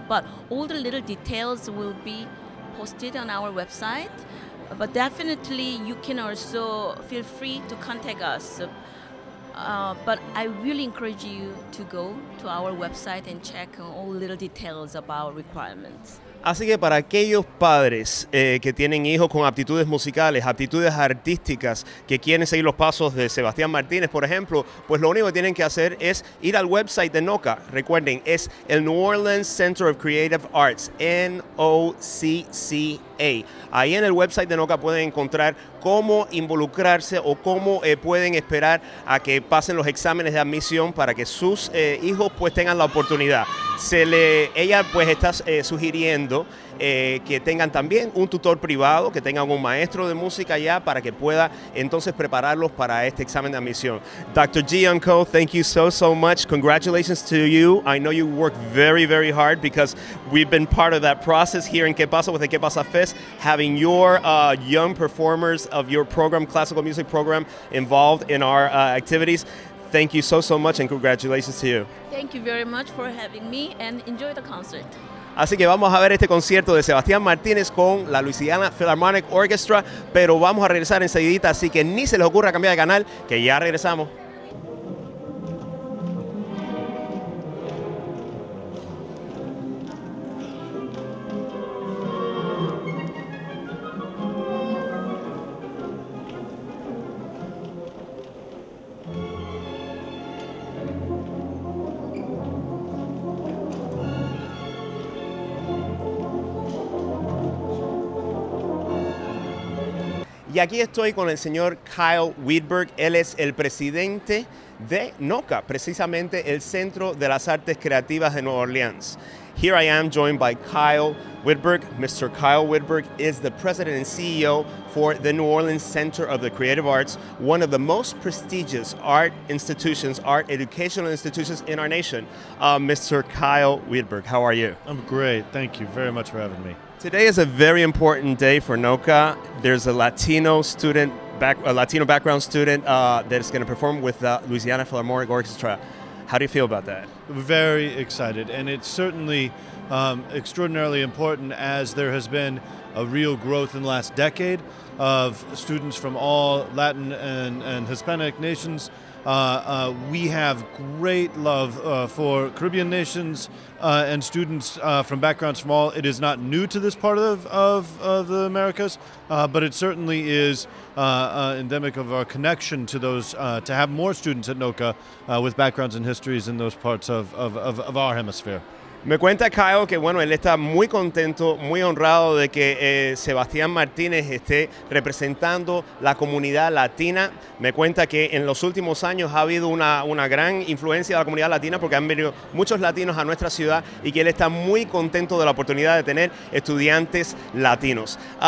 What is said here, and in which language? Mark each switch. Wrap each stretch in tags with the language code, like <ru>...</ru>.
<en>But all the little details will be posted on our website. But definitely, you can also feel free to contact us. But I really encourage you to go to our website and check all the little details about requirements.</en> <es>Así que para aquellos padres que tienen hijos con aptitudes musicales, aptitudes artísticas, que quieren seguir los pasos de Sebastián Martínez, por ejemplo, pues lo único que tienen que hacer es ir al website de NOCCA. Recuerden, es el New Orleans Center of Creative Arts, NOCCA. Ahí en el website de NOCCA pueden encontrar cómo involucrarse o cómo pueden esperar a que pasen los exámenes de admisión para que sus hijos pues tengan la oportunidad. Ella pues está sugiriendo que tengan también un tutor privado, que tengan un maestro de música ya para que pueda entonces prepararlos para este examen de admisión.</es> <en>Dr. Gianco, thank you so much. Congratulations to you. I know you work very, very hard because we've been part of that process here in Que Pasa with the Que Pasa Fest, having your young performers of your program, classical music program, involved in our activities. Thank you so much and congratulations to you. Thank you very much for having me and enjoy the concert.</en> <es>Así que vamos a ver este concierto de Sebastián Martínez con la Louisiana Philharmonic Orchestra, pero vamos a regresar enseguidita, así que ni se les ocurra cambiar de canal, que ya regresamos. Y aquí estoy con el señor Kyle Wittberg. Él es el presidente de NOCCA, precisamente el Centro de las Artes Creativas de Nueva Orleans.</es> <en>Here I am joined by Kyle Wittberg. Mr. Kyle Wittberg is the president and CEO for the New Orleans Center of the Creative Arts, one of the most prestigious art institutions, art educational institutions in our nation. Mr. Kyle Wittberg, how are you? I'm great. Thank you very much for having me. Today is a very important day for NOCCA. There's a Latino student, a Latino background student that's going to perform with the Louisiana Philarmonic Orchestra. How do you feel about that? Very excited, and it's certainly extraordinarily important, as there has been a real growth in the last decade of students from all Latin and Hispanic nations. We have great love for Caribbean nations and students from backgrounds from all. It is not new to this part of the Americas, but it certainly is endemic of our connection to those, to have more students at NOCCA with backgrounds and histories in those parts of our hemisphere.</en> <es>Me cuenta Kyle que, bueno, él está muy contento, muy honrado de que Sebastián Martínez esté representando la comunidad latina. Me cuenta que en los últimos años ha habido una gran influencia de la comunidad latina, porque han venido muchos latinos a nuestra ciudad, y que él está muy contento de la oportunidad de tener estudiantes latinos.</es>